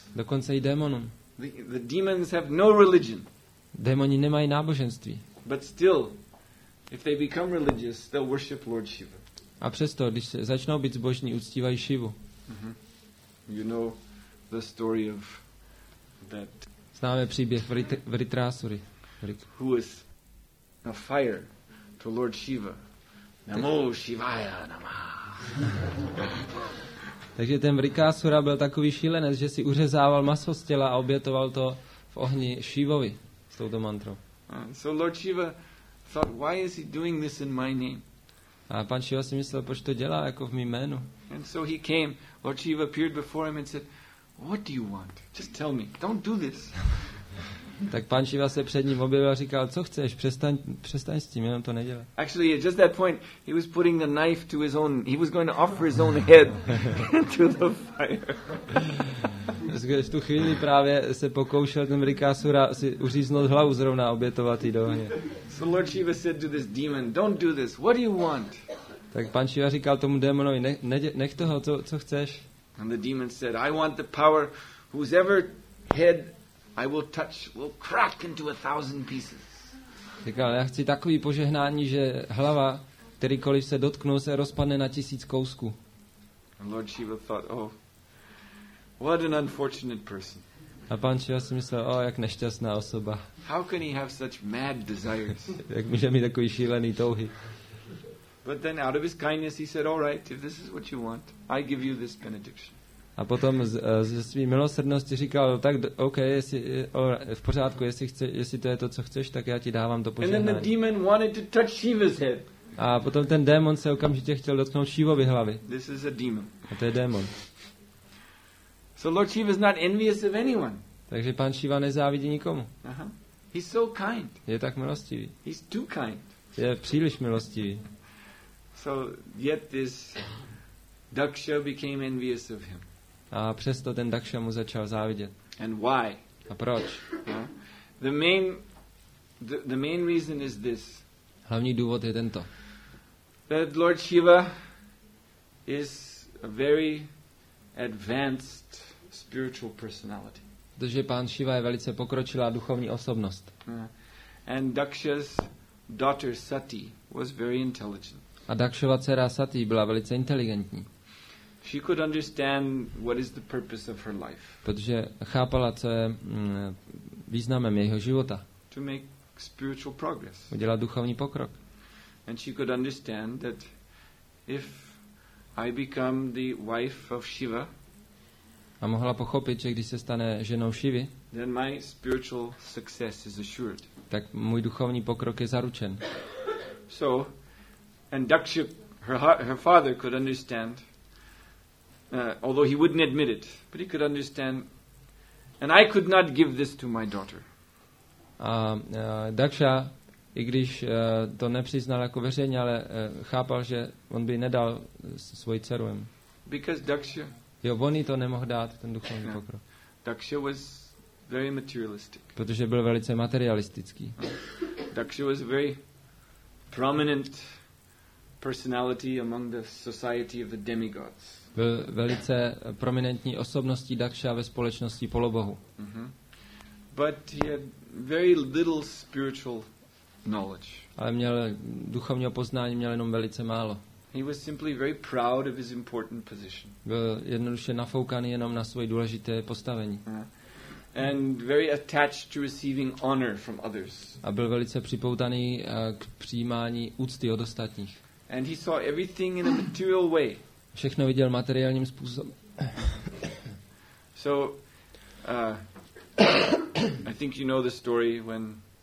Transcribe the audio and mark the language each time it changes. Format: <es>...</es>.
<cs>Dokonce i démonům.</cs> <en>The demons have no religion.</en> <cs>Démoni nemají náboženství.</cs> <en>But still, if they become religious, they'll worship Lord Shiva.</en> <cs>A přesto, když se začnou být zbožní, uctívají Šivu.</cs> <en>You know the story of that.</en> <cs>Známe příběh Vritrasury.</cs> <en>Who is a fire to Lord Shiva?</en> <sa>Namo Shivaya namah.</sa> <cs>Takže ten Vritrasura byl takový šílenec, že si uřezával maso z těla a obětoval to v ohni Šivovi s touto mantrou.</cs> <en>So Lord Shiva thought, why is he doing this in my name?</en> <cs>A pan Shiva si myslel, proč to dělá jako v mým jménu.</cs> <en>And so he came. Lord Shiva appeared before him and said, what do you want? Just tell me. Don't do this.</en> <cs>Tak pan Shiva se před ním objevil a říkal, co chceš? Přestaň s tím, jenom to nedělej.</cs> <en>Actually, at just that point, he was putting the knife to his own. He was going to offer his own head to the fire.</en> <cs>V tu chvíli právě se pokoušel ten Vritrasura si uříznout hlavu zrovna obětovat jí do ohně.</cs> <en>So Lord Shiva said to this demon, don't do this. What do you want?</en> <cs>Tak pan Shiva říkal tomu démonovi, nech toho, co chceš?</cs> <en>And the demon said, I want the power whose ever head I will touch will crack into a thousand pieces.</en> <cs>Říkal, já chci takový požehnání, že hlava, kterýkoliv se dotknu, se rozpadne na tisíc kousků.</cs> <en>And Lord Shiva thought, oh, what an unfortunate person.</en> <cs>A pan Shiva si myslel, oh, jak nešťastná osoba.</cs> <en>How can he have such mad desires?</en> <cs>Jak může mít takový šílený touhy?</cs> <en>But then out of his kindness he said, all right, if this is what you want, I give you this benediction.</en> <cs>A potom ze své milosrdnosti říkal, tak OK, v pořádku, jestli to je to, co chceš, tak já ti dávám to požehnání.</cs> <en>And then the demon wanted to touch Shiva's head.</en> <cs>A potom ten démon se okamžitě chtěl dotknout Shivovy hlavy.</cs> <en>This is a demon.</en> <cs>A to je démon.</cs> <en>So Lord Shiva is not envious of anyone.</en> <cs>Takže pan Shiva nezávidí nikomu.</cs> <en>He's so kind.</en> <cs>Je tak milostivý.</cs> <en>He's too kind.</en> <cs>Je příliš milostivý.</cs> <en>So yet this Daksha became envious of him.</en> <cs>A přesto ten Daksha mu začal závidět.</cs> <en>And why?</en> <cs>A proč?</cs> <en>The main reason is this.</en> <cs>Hlavní důvod je tento.</cs> <en>That Lord Shiva is a very advanced spiritual personality.</en> <cs>Protože pán Shiva je velice pokročilá duchovní osobnost.</cs> <en>And Daksha's daughter Sati was very intelligent.</en> <cs>A Dakšova dcera Sati byla velice inteligentní.</cs> <en>She could understand what is the purpose of her life.</en> <cs>Protože chápala, co je významem jejího života.</cs> <en>To make spiritual progress.</en> <cs>Udělat duchovní pokrok.</cs> <en>And she could understand that if I become the wife of Shiva.</en> <cs>A mohla pochopit, že když se stane ženou Šivy,</cs> <en>then my spiritual success is assured.</en> <cs>Tak můj duchovní pokrok je zaručen.</cs> <en>So, and Daksha, her father could understand. Although he wouldn't admit it, but he could understand, and I could not give this to my daughter.</en> <cs>Daksha, i když to nepřiznal jako veřejně, ale chápal, že on by nedal svoji dceru.</cs> <en>Because Daksha.</en> <cs>Jo, on jí to nemohl dát, ten duchovní pokrok.</cs> <en>Daksha was very materialistic.</en> <cs>Protože byl velice materialistický.</cs> <en>Daksha was a very prominent personality among the society of the demigods.</en> <cs>Byl velice prominentní osobností Daksha ve společnosti polobohu.</cs> <en>But he had very little spiritual knowledge.</en> <cs>Ale měl duchovního poznání měl jenom velice málo.</cs> <en>He was simply very proud of his important position.</en> <cs>Byl jednoduše nafoukaný jenom na svoje důležité postavení.</cs> <en>And very attached to receiving honor from others.</en> <cs>A byl velice připoutaný k přijímání úcty od ostatních.</cs> <en>And he saw everything in a material way.</en> <cs>Všechno viděl materiálním způsobem.</cs> <en>So I think you know the story when</en>